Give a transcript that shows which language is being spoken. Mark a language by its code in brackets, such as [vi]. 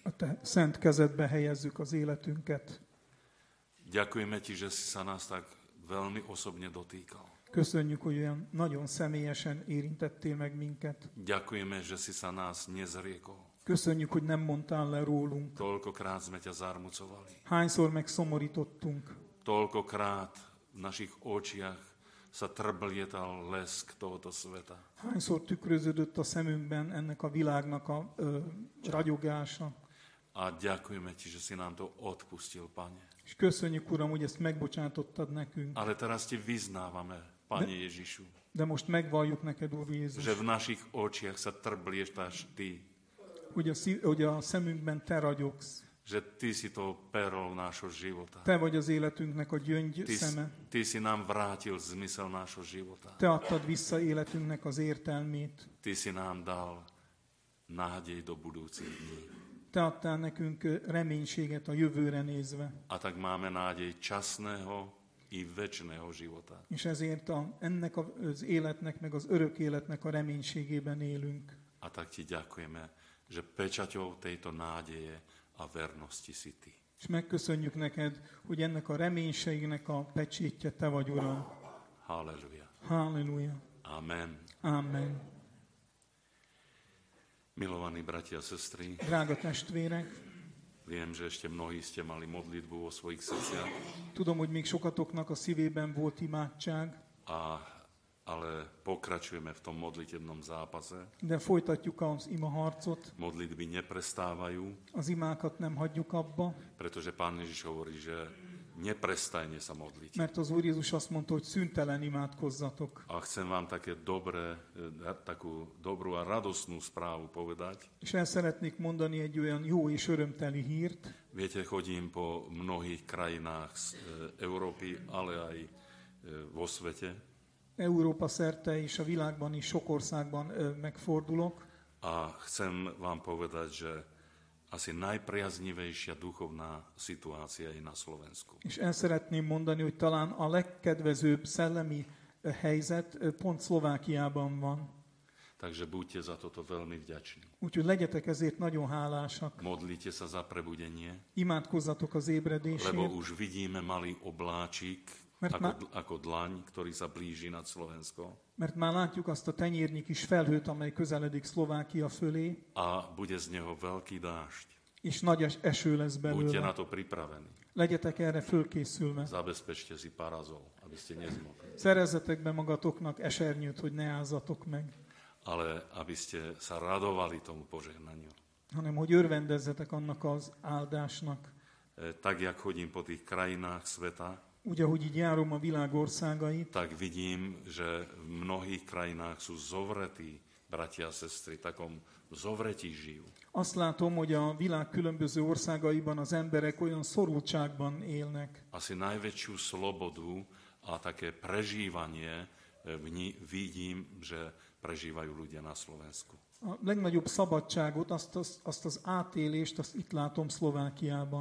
[hu] A Te szent kezedbe helyezzük az életünket. [sk] Ďakujeme Ti, že si sa nás tak veľmi osobne dotýkal. [hu] Köszönjük, hogy olyan nagyon személyesen érintettél meg minket. [sk] Ďakujeme, že si sa nás nezriekol. [hu] Köszönjük, hogy nem mondtál le rólunk. [sk] Toľkokrát sme ťa zarmucovali. [hu] Hányszor megszomorítottunk. [sk] Toľkokrát v našich očiach sa trblietal lesk tohoto sveta. [hu] Hányszor tükröződött a szemünkben ennek a világnak a ragyogása. [sk] A ďakujeme Ti, že si nám to odpustil, Pane. [hu] És köszönjük, Uram, hogy ezt megbocsátottad nekünk. [sk] Ale teraz Ti vyznávame, Pane Ježišu. [hu] De most megvalljuk neked, Úr Jézus. [sk] Že v našich očiach sa trblietáš Ty. [hu] Hogy a szemünkben Te ragyogsz. [sk] Že Ty si to perol nášho života. [hu] Te vagy az életünknek a gyöngy szeme. [sk] Ty si nám vrátil zmysel nášho života. [hu] Te adtad vissza életünknek az értelmét. [sk] Ty si nám dal nádej do budúcich dní. [hu] Te adtál nekünk reménységet a jövőre nézve. [sk] A tak máme nádej časného i večného života. [hu] És ezért ennek az életnek, meg az örök életnek a reménységében élünk. [sk] A tak Ti ďakujeme, že pečaťou tejto nádeje a vernosti si Ty. [hu] És megköszönjük neked, hogy ennek a reménységnek a pecsétje Te vagy, Uram. Halleluja. Halleluja. Amen. Amen. [sk] Milovaní bratia a sestry, [hu] drága testvérek, [sk] viem, že ešte mnohí ste mali modlitbu vo svojich srdciach. [hu] Tudom, hogy még sokatoknak a szívében volt imádság. [sk] Ale pokračujeme v tom modlitebnom zápase. [hu] De folytatjuk az imaharcot. [sk] Modlitby neprestávajú. [hu] Az imákat nem hagyjuk abba. [sk] Pretože Pán Ježiš hovorí, že neprestajne sa modliť. [hu] Mert az Úr Jézus azt mondta, hogy szüntelen imádkozzatok. [sk] A chcem vám také dobré, takú dobrú a radosnú správu povedať. [hu] És el szeretnék mondani egy olyan jó és örömteli hírt. [sk] Viete, chodím po mnohých krajinách z Európy, ale aj vo svete. [hu] Európa szerte és a világban is sok országban megfordulok. [sk] A chcem vám povedať, že asi najpriaznivejšia duchovná situácia je na Slovensku. [hu] És el szeretném mondani, hogy talán a legkedvezőbb szellemi helyzet pont Szlovákiában van. [sk] Takže buďte za toto veľmi vďační. [hu] Úgyhogy legyetek ezért nagyon hálásak. [sk] Modlite sa za prebudenie. [hu] Imádkozzatok az ébredésért. [sk] Lebo už vidíme malý obláčik, ako dlaň, ktorý sa blíži nad Slovensko. [hu] Mert már látjuk azt a tenyérnyi kis felhőt, amely közeledik Szlovákia fölé. [sk] A bude z neho veľký dážď. [hu] És nagy eső lesz belőle. [sk] Buďte na to pripravení. [hu] Legyetek erre fölkészülve. [sk] Zabezpečte si parazol, aby ste nezmokli. [hu] Szerezzetek be magatoknak esernyőt, hogy ne ázzatok meg. [sk] ale aby ste sa radovali tomu požehnaniu. [hu] Hanem hogy örvendezzetek annak az áldásnak. [sk] Tak jak chodím po tých krajinách sveta, [hu] úgy ahogy így járom a világ országait, [sk] tak vidím, že v mnohých krajinách sú zovretí bratia a sestry, takom zovretí žijú. [hu] Azt látom, hogy a világ különböző országaiban az emberek olyan szorultságban élnek. [sk] Asi najväčšiu slobodu a také prežívanie vidím, že prežívajú ľudia na Slovensku. [hu] A legnagyobb szabadságot, azt az átélést, azt itt látom Szlovákiában.